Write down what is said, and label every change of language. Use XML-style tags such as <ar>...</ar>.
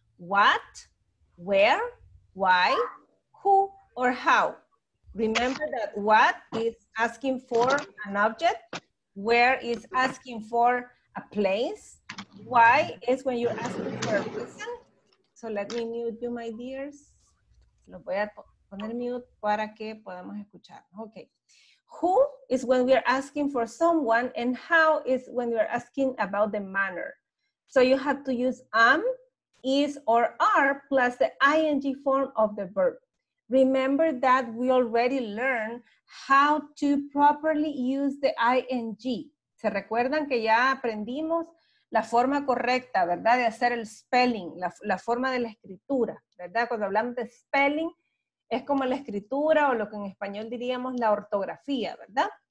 <en>What, where, why, who, or how? Remember that what is asking for an object, where is asking for a place, why is when you're asking for a reason. So let me mute you, my dears.</en> <es>Lo voy a poner mute para que podamos escuchar.</es> <en>Okay. Who is when we are asking for someone, and how is when we are asking about the manner. So you have to use am, is, or are plus the ing form of the verb. Remember that we already learned how to properly use the ing.</en> <es>¿Se recuerdan que ya aprendimos la forma correcta, verdad, de hacer el spelling, la forma de la escritura, verdad? Cuando hablamos de spelling, es como la escritura o lo que en español diríamos la ortografía, ¿verdad?</es>